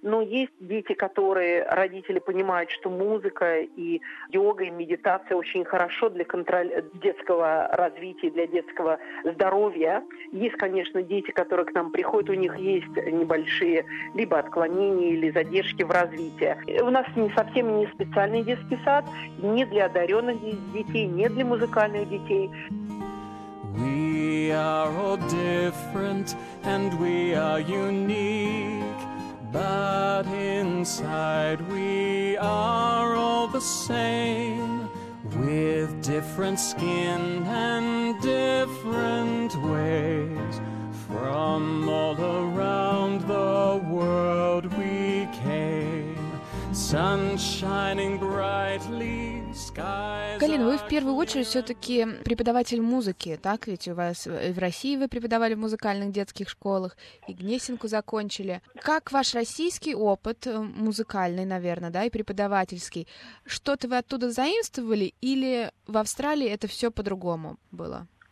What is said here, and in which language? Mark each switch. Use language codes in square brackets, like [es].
[ru] Но есть дети, которые родители понимают, что музыка и йога, и медитация очень хорошо для контроля детского развития, для детского здоровья. Есть, конечно, дети, которые к нам приходят, у них есть небольшие либо отклонения или задержки в развитии. У нас не совсем не специальный детский сад, не для одаренных детей, не для музыкальных детей. [en] We are all different and we are unique, but inside we are all the same, with different skin and different ways. From all around the world we came, sun shining brightly. [ru] Галина, вы в первую очередь все-таки преподаватель музыки, так ведь? У вас в России вы преподавали в музыкальных детских школах, и Гнесинку закончили. Как ваш российский опыт музыкальный, наверное, да, и преподавательский? Что-то вы оттуда заимствовали, или в Австралии это все по-другому было?